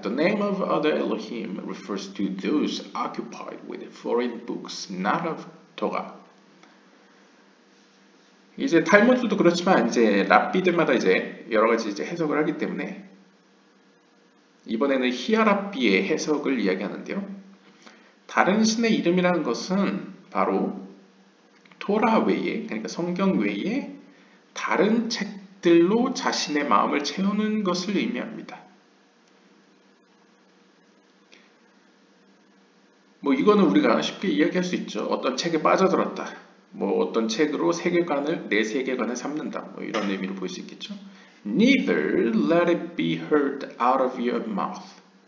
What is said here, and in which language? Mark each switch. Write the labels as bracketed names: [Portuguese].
[English] The name of other Elohim refers to those occupied with foreign books, not of Torah. [Korean] 이제 탈무드도 그렇지만 이제 랍비들마다 이제 여러 가지 이제 해석을 하기 때문에 이번에는 히야 랍비의 해석을 이야기하는데요. 다른 신의 이름이라는 것은 바로 토라 외에, 그러니까 성경 외에 다른 책 들로 자신의 마음을 채우는 것을 의미합니다. 뭐 이거는 우리가 쉽게 이야기할 수 있죠. 어떤 책에 빠져들었다. 뭐 어떤 책으로 세계관을 내 세계관을 삼는다. 뭐 이런 의미로 볼 수 있겠죠. [English] Neither let it be heard out of your mouth.